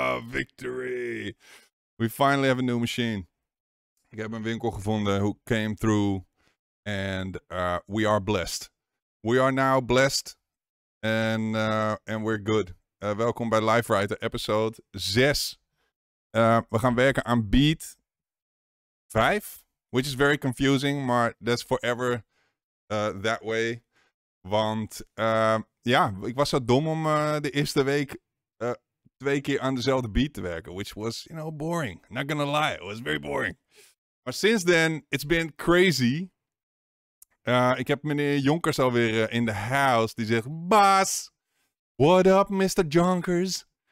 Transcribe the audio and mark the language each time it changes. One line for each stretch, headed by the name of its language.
English: Victory. We finally have a new machine.
Dutch: Ik heb een winkel gevonden
English: who came through. And we are blessed. We are now blessed. And we're good.
Dutch: Welkom bij Live Writer episode 6. We gaan werken aan beat 5.
English: Which is very confusing, maar that's forever that way.
Dutch: Want ja, ik was zo dom om de eerste week 2 keer aan dezelfde beat te werken.
English: Which was, you know, boring. Not gonna lie, it was very boring. Maar since then, it's been crazy.
Dutch: Ik heb meneer Jonkers alweer
English: in the house.
Dutch: Die zegt, Bas,
English: what up,
Dutch: Mr. Jonkers?